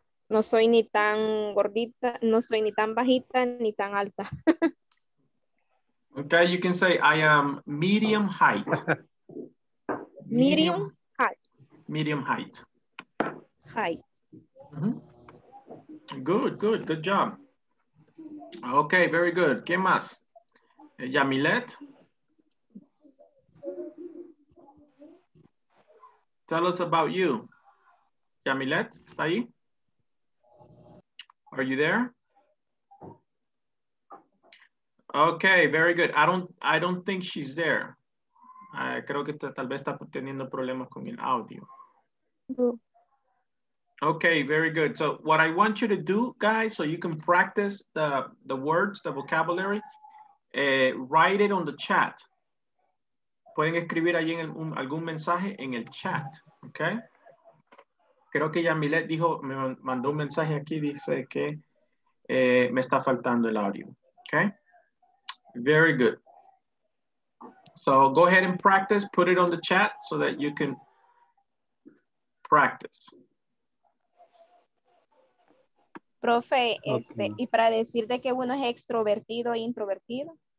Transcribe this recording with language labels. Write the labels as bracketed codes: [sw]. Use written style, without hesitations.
[es] No soy ni tan gordita, no soy ni tan bajita, ni tan alta. [en] Okay, you can say I am medium height. Medium height. Mm-hmm. Good, good, good job. Okay, very good. [es] ¿Qué más? [en] Yamilet? Tell us about you. Yamilet, [es] ¿está ahí? [en] Are you there? Okay, very good. I don't think she's there. [es] Creo que tal vez está teniendo problemas con el audio. [en] Okay, very good. So what I want you to do, guys, so you can practice the words, the vocabulary, write it on the chat. [es] Pueden escribir allí en algún mensaje en el chat, okay? Creo que Yamilet dijo, me mandó un mensaje aquí, dice que me está faltando el audio, okay? [en] Very good. So go ahead and practice, put it on the chat so that you can practice. [es] Profe, okay. Y para decir de que uno es extrovertido e introvertido.